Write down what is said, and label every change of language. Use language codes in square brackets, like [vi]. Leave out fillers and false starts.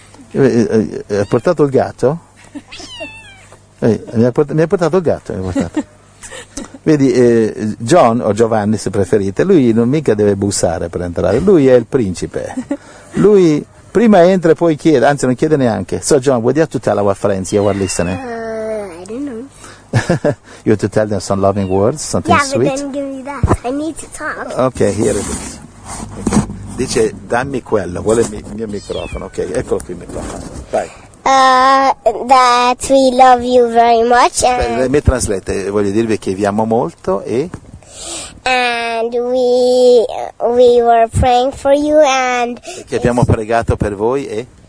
[it] Ha portato il gatto? Mi ha portato il gatto. Vedi, John o Giovanni se preferite, lui non mica deve bussare per entrare, lui è il principe. Lui prima entra e poi chiede, anzi non chiede neanche. [en] So John, would you have to tell our friends here who are listening? I don't know. You have to tell them some loving words, something sweet? Yeah, but then give me that. I need to talk. Okay, here it is. Okay. [it] Dice, dammi quello, vuole il mio microfono. Ok, eccolo qui il microfono. Vai. [en] That we love you very much. [it] Mi traslate, voglio dirvi che vi amo molto e... [en] And we were praying for you and... [it] Che abbiamo pregato per voi e...